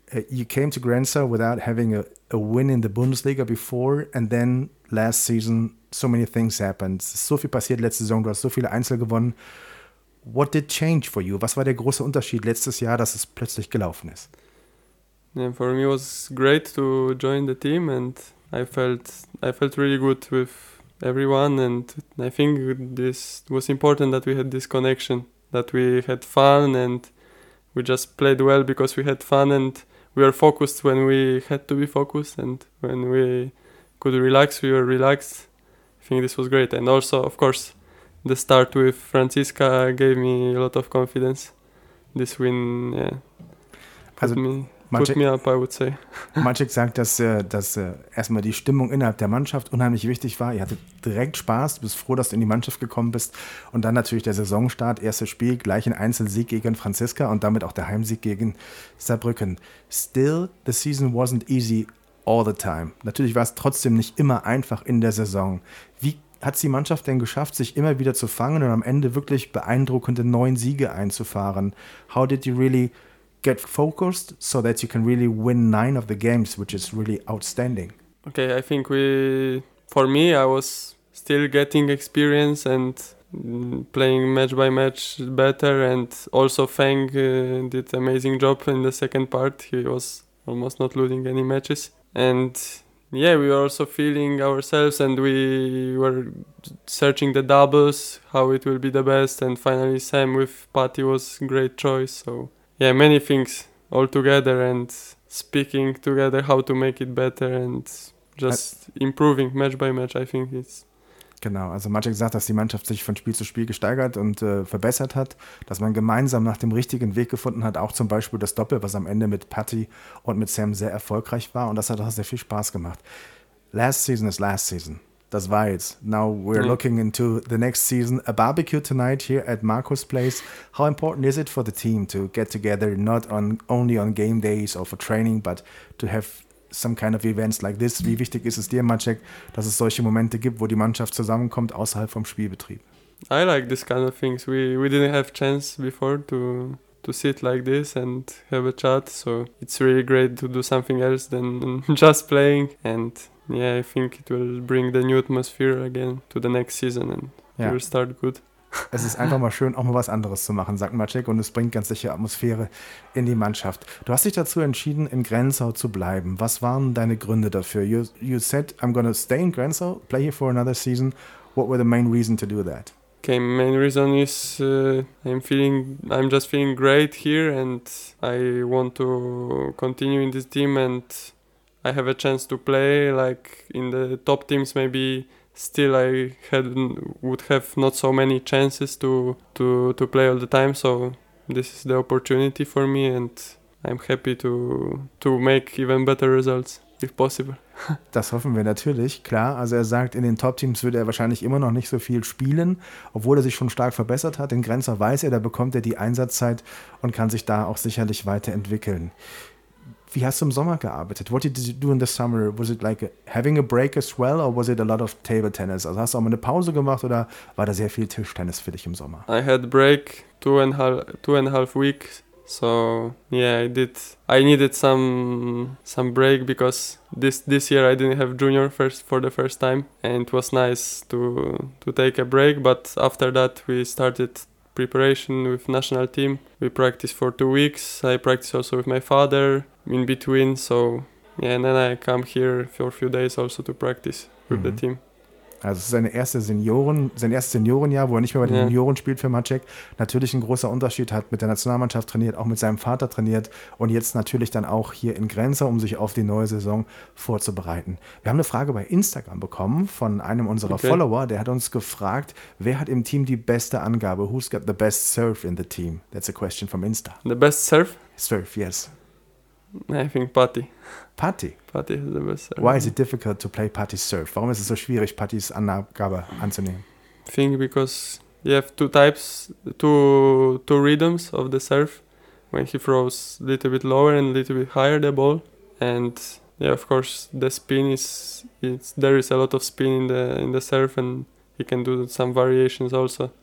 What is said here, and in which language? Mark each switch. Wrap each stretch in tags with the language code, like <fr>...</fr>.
<en>You came to Grenzer without having a win in the Bundesliga before, and then last season so many things happened.</en> <de>So viel passiert letzte Saison, du hast so viele Einzel gewonnen.</de> <en>What did change for you?</en> <de>Was war der große Unterschied letztes Jahr, dass es plötzlich gelaufen ist?</de> <en>Yeah, for me it was great to join the team and I felt really good with everyone, and I think this was important that we had this connection, that we had fun and we just played well because we had fun and we were focused when we had to be focused, and when we could relax, we were relaxed. I think this was great. And also, of course, the start with Franziska gave me a lot of confidence. This win, yeah, put me up, I would say.</en> <de>Maciek sagt, dass erstmal die Stimmung innerhalb der Mannschaft unheimlich wichtig war. Ihr hattet direkt Spaß, du bist froh, dass du in die Mannschaft gekommen bist. Und dann natürlich der Saisonstart, erstes Spiel, gleich ein Einzelsieg gegen Franziska und damit auch der Heimsieg gegen Saarbrücken.</de> <en>Still, the season wasn't easy all the time.</en> <de>Natürlich war es trotzdem nicht immer einfach in der Saison. Wie hat es die Mannschaft denn geschafft, sich immer wieder zu fangen und am Ende wirklich beeindruckende 9 Siege einzufahren?</de> <en>How did you really get focused so that you can really win 9 of the games, which is really outstanding? Okay, I think for me I was still getting experience and playing match by match better, and also Feng did amazing job in the second part. He was almost not losing any matches, and yeah, we were also feeling ourselves and we were searching the doubles, how it will be the best, and finally Sam with Patty was a great choice. So yeah, many things all together and speaking together how to make it better and just improving match by match, I think it's...</en> <de>Genau, also Maciek sagt, dass die Mannschaft sich von Spiel zu Spiel gesteigert und verbessert hat, dass man gemeinsam nach dem richtigen Weg gefunden hat, auch zum Beispiel das Doppel, was am Ende mit Patty und mit Sam sehr erfolgreich war, und das hat auch sehr viel Spaß gemacht.</de> <en>Last season is last season.</en> <de>Das war jetzt.</de> <en>Now we're looking into the next season. A barbecue tonight here at Marco's place. How important is it for the team to get together, not on only on game days or for training, but to have some kind of events like this?</en> <de>Wie wichtig ist es dir, Maciek, dass es solche Momente gibt, wo die Mannschaft zusammenkommt außerhalb vom Spielbetrieb?</de> <en>I like this kind of things. We didn't have chance before to sit like this and have a chat. So it's really great to do something else than just playing. And yeah, I think it will bring the new atmosphere again to the next season and it will start good.</en> <de>Es ist einfach mal schön, auch mal was anderes zu machen, sagt Maciek, und es bringt ganz sicher Atmosphäre in die Mannschaft. Du hast dich dazu entschieden, in Grenzau zu bleiben. Was waren deine Gründe dafür?</de> <en>You said, I'm going to stay in Grenzau, play here for another season. What were the main reason to do that? Okay, main reason is I'm just feeling great here and I want to continue in this team and I have a chance to play like in the top teams. Maybe still I would have not so many chances to play all the time, so this is the opportunity for me and I'm happy to make even better results if possible.</en> <de>Das hoffen wir natürlich, klar. Also er sagt, in den Top-Teams würde er wahrscheinlich immer noch nicht so viel spielen, obwohl er sich schon stark verbessert hat. In Grenzer weiß er, da bekommt er die Einsatzzeit und kann sich da auch sicherlich weiterentwickeln. Wie hast du im Sommer gearbeitet?</de> <en>What did you do in the summer? Was it like having a break as well or was it a lot of table tennis?</en> <de>Also hast du auch mal eine Pause gemacht oder war da sehr viel Tischtennis für dich im Sommer?</de> <en>I had break two and a half weeks, So yeah, I did. I needed some break because this year I didn't have junior for the first time, and it was nice to take a break. But after that, we started preparation with national team. We practiced for 2 weeks. I practiced also with my father in between. So yeah, and then I come here for a few days also to practice with the team.</en> <de>Also sein erstes Seniorenjahr, wo er nicht mehr bei den Junioren spielt für Maček, natürlich ein großer Unterschied, hat mit der Nationalmannschaft trainiert, auch mit seinem Vater trainiert und jetzt natürlich dann auch hier in Grenzer, um sich auf die neue Saison vorzubereiten. Wir haben eine Frage bei Instagram bekommen von einem unserer Follower, der hat uns gefragt, wer hat im Team die beste Angabe?</de> <en>Who's got the best serve in the team? That's a question from Insta. The best serve? Serve, yes. I think Patty. Patty? Patty is the best serve. Why is it difficult to play Patty's serve?</en> <de>Warum ist es so schwierig, Patty's Angabe anzunehmen?</de> <en>I think because you have two rhythms of the serve. When he throws a little bit lower and a little bit higher the ball. And yeah, of course, the spin there is a lot of spin in the serve, and he can do some variations also.</en>